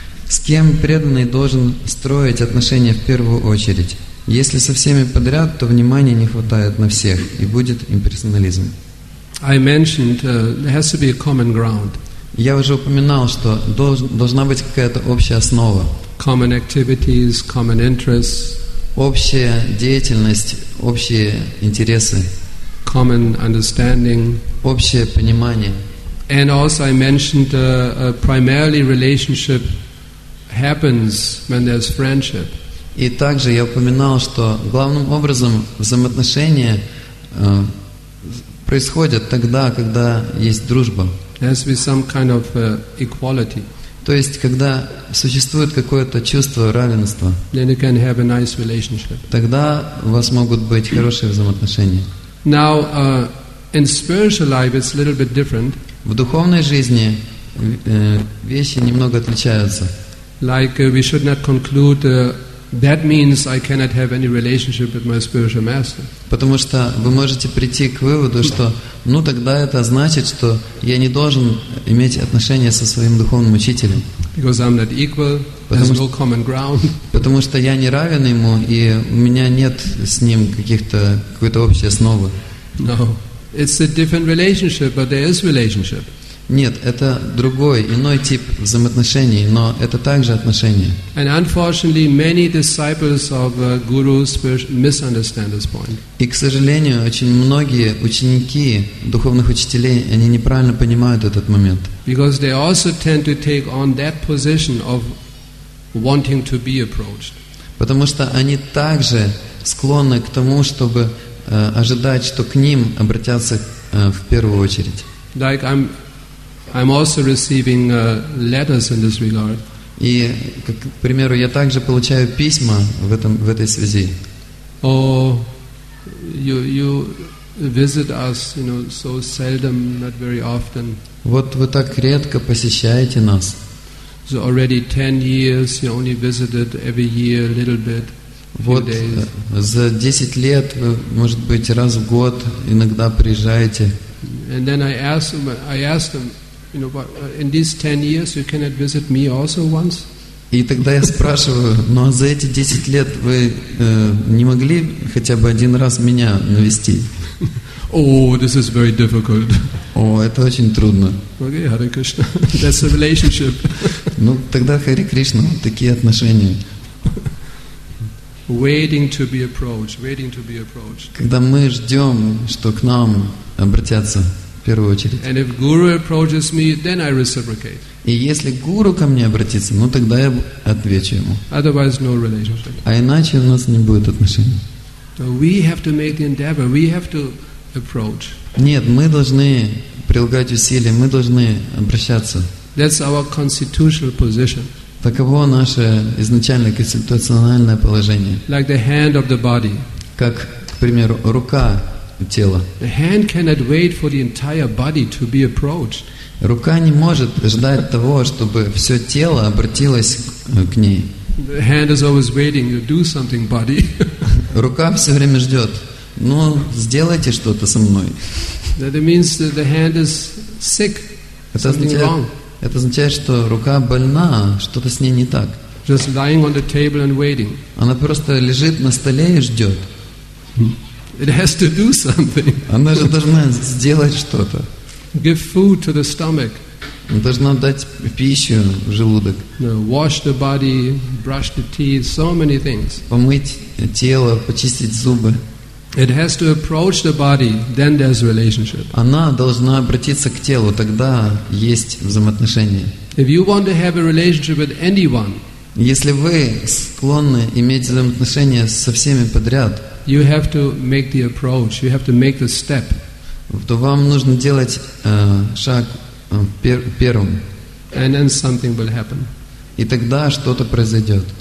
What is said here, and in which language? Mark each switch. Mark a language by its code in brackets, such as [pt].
[ru] С кем преданный должен строить отношения в первую очередь? Если со всеми подряд, то внимания не хватает на всех, и будет имперсонализм. [en] I mentioned there has to be a common ground. [ru] Я уже упоминал, что должна быть какая-то общая основа. [en] Common activities, common interests. [ru] Общая деятельность, общие интересы. [en] Common understanding. [ru] Общее понимание. [en] And also I mentioned a primarily relationship happens when there's friendship. [ru] И также я упоминал, что главным образом взаимоотношения происходят тогда, когда есть дружба. [en] There's be some kind of equality. [ru] То есть, когда существует какое-то чувство равенства, [en] then you can have a nice relationship. [ru] Тогда у вас могут быть хорошие взаимоотношения. [en] Now, in spiritual life, it's a little bit different. [ru] В духовной жизни вещи немного отличаются. [en] Like we should not conclude that means I cannot have any relationship with my spiritual master. [ru] Потому что вы можете прийти к выводу, что, ну тогда это значит, что я не должен иметь отношения со своим духовным учителем. [en] Because I'm not equal. There's no common ground. [ru] Потому что я не равен ему, и у меня нет с ним какой-то общей основы. [en] No, it's a different relationship, but there is relationship. [ru] Нет, это другой, иной тип взаимоотношений, но это также отношения. [en] And unfortunately, many disciples of gurus misunderstand this point. [ru] И, к сожалению, очень многие ученики духовных учителей, они неправильно понимают этот момент. [en] Because they also tend to take on that position of wanting to be approached. [ru] Потому что они также склонны к тому, чтобы ожидать, что к ним обратятся в первую очередь. [en] Like I'm also receiving letters in this regard. [ru] И, как, к примеру, я также получаю письма в этой связи. [en] Oh, you visit us, you know, so seldom, not very often. [ru] Вот вы так редко посещаете нас. [en] So already 10 years, you only visited every year a little bit. [ru] Вот за 10 лет вы, может быть, раз в год иногда приезжаете. [en] And then I asked him. You know, but in these 10 years, you cannot visit me also once. [ru] И тогда я спрашиваю, ну а за эти 10 лет вы не могли хотя бы один раз меня навести? [en] Oh, this is very difficult. [ru] О, это очень трудно. [en] Okay, Hare Krishna, that's a relationship. [ru] Ну тогда Hare Krishna, такие отношения. [en] Waiting to be approached, waiting to be approached. [ru] Когда мы ждем, что к нам обратятся. [en] And if guru approaches me, then I reciprocate. [ru] И если гуру ко мне обратится, ну тогда я отвечу ему. [en] Otherwise, no relationship. [ru] А иначе у нас не будет отношений. [en] So we have to make the endeavor. We have to approach. [ru] Нет, мы должны прилагать усилия. Мы должны обращаться. [en] That's our constitutional position. [ru] Таково наше изначальное конституциональное положение. [en] Like the hand of the body. [ru] Как, к примеру, рука. Тело. [en] The hand cannot wait for the entire body to be approached. [ru] Рука не может ждать того, чтобы все тело обратилось к ней. [en] The hand is always waiting. You do something, body. [ru] Рука все время ждет. Ну, сделайте что-то со мной. [en] That means that the hand is sick. Something wrong. [ru] Это означает, что рука больна, что-то с ней не так. [en] Just lying on the table and waiting. [ru] Она просто лежит на столе и ждет. [en] It has to do something. [ru] Она же должна сделать что-то. [en] Give food to the stomach. [ru] Она должна дать пищу в желудок. [en] No, wash the body, brush the teeth, so many things. [ru] Помыть тело, почистить зубы. [en] It has to approach the body, then there's relationship. [ru] Она должна обратиться к телу, тогда есть взаимоотношения. [en] If you want to have a relationship with anyone, [ru] если вы склонны иметь взаимоотношения со всеми подряд, [en] you have to make the approach. You have to make the step. [ru] То вам нужно делать шаг первым. [en] And then something will happen. [ru] И тогда что-то произойдет.